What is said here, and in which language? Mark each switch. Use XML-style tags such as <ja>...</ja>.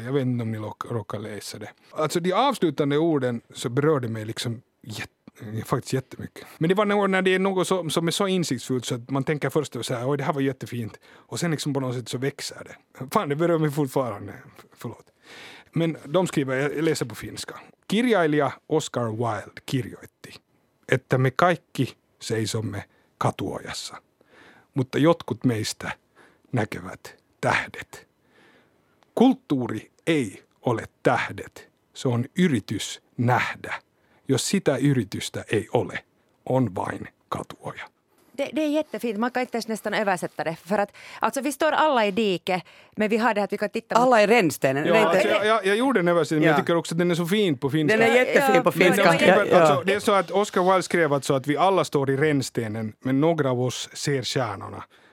<sv>Jag vet inte om ni råkar läsa det. Alltså de avslutande orden så berörde mig liksom faktiskt jättemycket. Men det var när det är något som är så insiktsfullt så att man tänker först och säger, oj det här var jättefint. Och sen liksom på något sätt så växer det. Fan, det berör mig fortfarande. Förlåt. Men de skriver, jag läser på finska.</sv> <fi>Kirjailija Oscar Wilde kirjoitti, että me kaikki seisomme katuojassa, mutta jotkut meistä näkevät tähdet. Kulttuuri ei ole tähdet, se on yritys nähdä. Jos sitä yritystä ei ole, on vain katuoja.</fi> <sv>Det är jättefint. Man kan inte ens nästan översätta det. För att, alltså, vi står alla i dike, men vi har det att vi kan titta på. Alla i rännstenen. Ja, alltså, jag gjorde en översättning, men jag tycker också att den är så fin på finska. Den är jättefin på finska. Men, alltså, det är så att Oscar Wilde skrev alltså att vi alla står i rännstenen, men några av oss ser kärnorna.</sv>